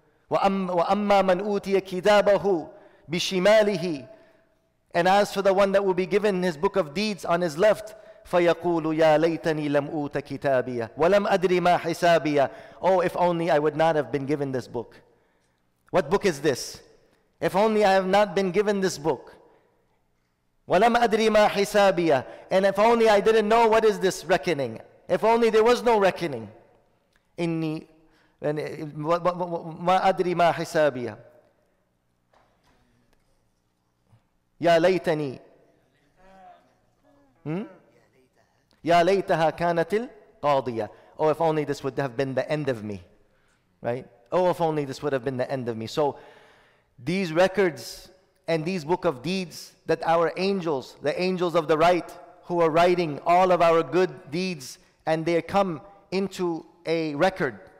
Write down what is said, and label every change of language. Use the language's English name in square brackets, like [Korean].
[Arabic] وَأَمَّا مَنْ أُوْتِيَ كِتَابَهُ بِشِمَالِهِ, [English] and as for the one that will be given his book of deeds on his left, [Arabic] فَيَقُولُ يَا لَيْتَنِي لَمْ أُوْتَ كِتَابِيَ وَلَمْ أَدْرِ مَا حِسَابِيَ, [English] oh, if only I would not have been given this book. What book is this? If only I have not been given this book. [Arabic] وَلَمْ أَدْرِ مَا حِسَابِيَ, [English] and if only I didn't know what is this reckoning. If only there was no reckoning. [Arabic] إني يعني ما أدري ما حسابي. يا ليتني يا ليتها كانت القاضية. [English] Oh, if only this would have been the end of me, right? Oh, if only this would have been the end of me. So these records and these book of deeds that our angels, the angels of the right, who are writing all of our good deeds, and they come into a record.